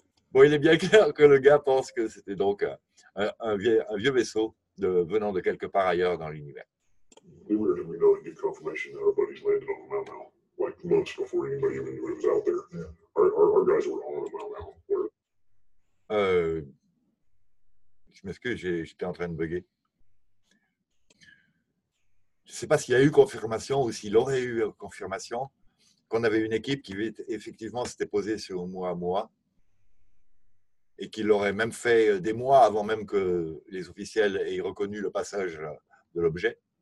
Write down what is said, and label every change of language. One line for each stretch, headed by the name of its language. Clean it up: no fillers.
French: Bon, il est bien clair que le gars pense que c'était donc un vieux vaisseau venant de quelque part ailleurs dans l'univers.
English: We were having no idea confirmation that our buddies landed on the Mau Mau, like months before anybody even knew it was out there. Yeah. Our guys were on the Mau Mau.
French: Je m'excuse, j'étais en train de bugger. Je ne sais pas s'il y a eu confirmation ou s'il aurait eu confirmation qu'on avait une équipe qui effectivement s'était posée sur Mau Mau. Et qu'il l'aurait même fait des mois avant même que les officiels aient reconnu le passage de l'objet.